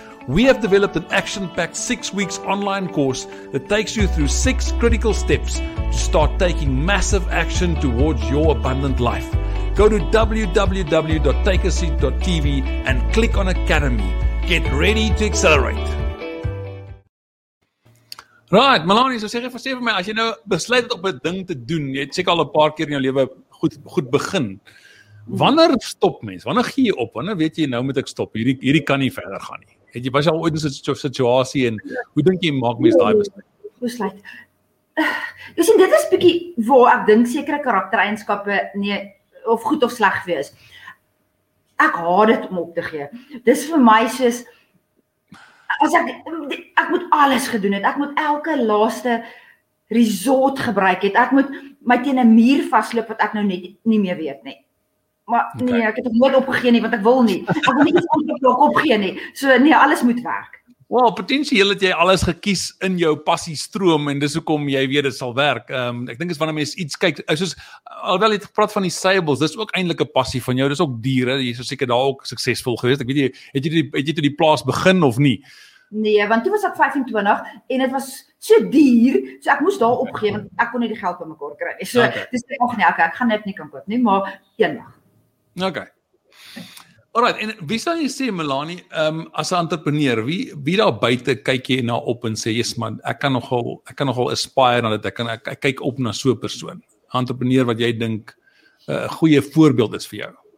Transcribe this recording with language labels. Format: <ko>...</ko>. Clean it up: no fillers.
<en>We have developed an action-packed 6 weeks online course that takes you through 6 critical steps to start taking massive action towards your abundant life. Go to www.takeaseat.tv and click on Academy. Get ready to accelerate.</en> <af>Right, Melanie, so sê vir my, as jy nou besluit op 'n ding te doen, jy het seker al 'n paar keer in jou lewe goed begin. Wanneer stop mens? Wanneer gee jy op? Wanneer weet jy, nou moet ek stop? Hierdie kan nie verder gaan nie. Het jy was al ooit in situasie en hoe dink jy maak mens daai besluit? Jy sien, dit is bietjie waar ek dink sekere karaktereienskappe nie of goed of sleg wees. Ek haat dit om op te gee. Dis vir my soos as ek moet alles gedoen het. Ek moet elke laaste resort gebruik het. Ek moet my teen 'n muur vasloop wat ek nou net nie meer weet nie. Maar nee, ek het nooit opgegee nie want ek wil nie. Ek wil nie eens opgee nie. So nee, alles moet werk. Wel, potensieel het jy alles gekies in jou passiestroom en dis hoekom jy weet dit sal werk. Ek dink is wanneer mens iets kyk, soos alhoewel jy gepraat van die Sables, dis ook eintlik 'n passie van jou. Dis ook diere, jy is seker daar ook suksesvol geweest. Ek weet jy het jy die plaas begin of nie? Nee, want toe was ek 25 en dit was so duur, so ek moes daar opgee want ek kon nie die geld bymekaar kry nie. So dis nog nie okay, ek gaan dit nie kan koop nie, maar eendag. Okay. Alright, en wie sal jy sê, Melanie, as 'n entrepreneur, wie daar buite kyk jy na op en sê, yes man, ek kan nogal aspire na dit, ek kyk op na so 'n persoon, entrepreneur wat jy dink 'n goeie voorbeeld is vir jou?</af>